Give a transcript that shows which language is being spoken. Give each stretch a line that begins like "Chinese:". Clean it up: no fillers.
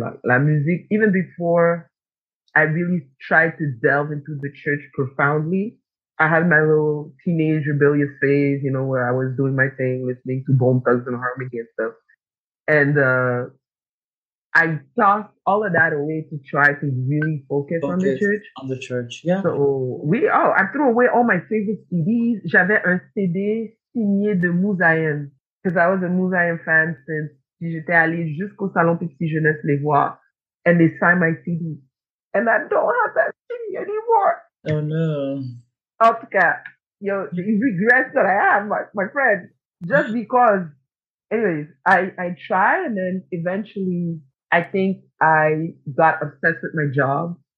English: Like
French: la musique,
English: even before I really tried to delve into the church profoundly, I had my little teenage rebellious phase, you know, where I was doing my thing, listening to Bone Thugs and Harmony and stuff. And I tossed all of that away to try to really focus on the church. On the church, yeah. So I threw away all my favorite CDs.
French: J'avais un CD signé de Mouzaïen,
English: because I was a Mouzaïen fan since
French: j'étais allée jusqu'au Salon Petit Jeunesse les voir,
English: and they signed my CD. And I don't have that CD anymore. Oh, no. Opka, yo, the regrets that I have, my friend, just because. Anyways, I try, and then eventually, I think I got obsessed with my job.